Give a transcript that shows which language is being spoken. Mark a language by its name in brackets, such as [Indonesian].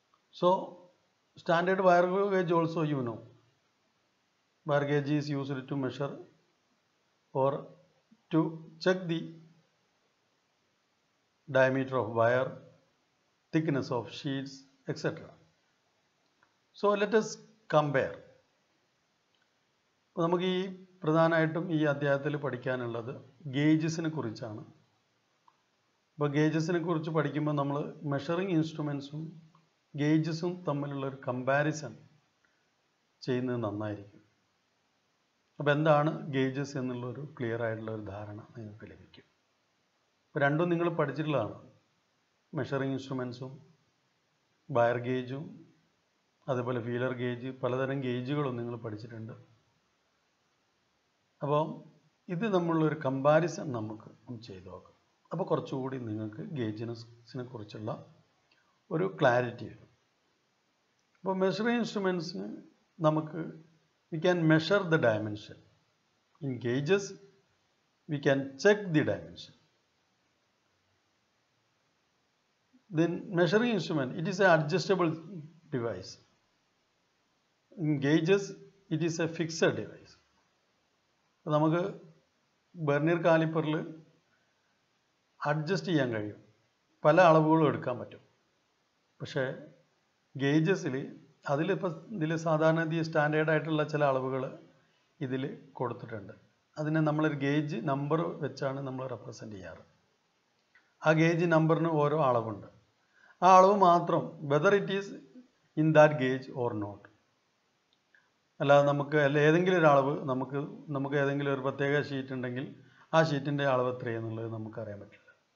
[English] So standard wire gauge also you know. Wire gauge is used to measure or to check the diameter of wire, thickness of sheets, etc. So let us compare. [Malayalam] നമുക്ക് ഈ പ്രധാനമായിട്ടും ഈ അധ്യായത്തിൽ പഠിക്കാനുള്ളത് ഗേജസിനെ കുറിച്ചാണ്. അപ്പോൾ ഗേജസിനെ കുറിച്ച് പഠിക്കുമ്പോൾ നമ്മൾ മെഷറിംഗ് ഇൻസ്ട്രുമെൻസും ഗേജസും തമ്മിലുള്ള ഒരു കമ്പാരിസൺ ചെയ്യുന്നത് നന്നായിരിക്കും. അപ്പോൾ എന്താണ് ഗേജസ് എന്നുള്ളൊരു ക്ലിയർ ആയിട്ടുള്ള ഒരു ധാരണ നിങ്ങൾക്ക് ലഭിക്കും. അപ്പോൾ രണ്ടും നിങ്ങൾ പഠിച്ചിട്ടുള്ളതാണ്, മെഷറിംഗ് ഇൻസ്ട്രുമെൻസും വയർ ഗേജും അതേപോലെ ഫീലർ ഗേജ്, പലതരം ഗേജുകളും നിങ്ങൾ പഠിച്ചിട്ടുണ്ട്. അപ്പോൾ ഇത് നമ്മളൊരു കമ്പാരിസൺ നമുക്ക് ചെയ്തു നോക്കാം. അപ്പോൾ കുറച്ചുകൂടി നിങ്ങൾക്ക് ഗേജിനെ കുറിച്ചുള്ള ഒരു ക്ലാരിറ്റി വരും. അപ്പോൾ മെഷറിംഗ് ഇൻസ്ട്രുമെൻസിന് നമുക്ക് [English] we can measure the dimension. In gauges we can check the dimension. Then measuring instrument, it is an adjustable device. In gauges it is a fixed device. [Malayalam] Appo namaku vernier caliper il adjust cheyan kayum pala alavugalu edukkan pattum, pakshe gauges il അതിലിപ്പോൾ ഇതിൽ സാധാരണ ഗതി സ്റ്റാൻഡേർഡായിട്ടുള്ള ചില അളവുകൾ ഇതിൽ കൊടുത്തിട്ടുണ്ട്. അതിനെ നമ്മളൊരു ഗേജ് നമ്പർ വെച്ചാണ് നമ്മൾ റെപ്രസെൻ്റ് ചെയ്യാറ്. ആ ഗേജ് നമ്പറിന് ഓരോ അളവുണ്ട്. ആ അളവ് മാത്രം [English] whether it is in that gauge or not, [Malayalam] അല്ലാതെ നമുക്ക് ഏതെങ്കിലും ഒരളവ് നമുക്ക് ഏതെങ്കിലും ഒരു പ്രത്യേക ഷീറ്റ് ഉണ്ടെങ്കിൽ ആ ഷീറ്റിൻ്റെ അളവ് എത്രയെന്നുള്ളത് നമുക്കറിയാൻ പറ്റില്ല.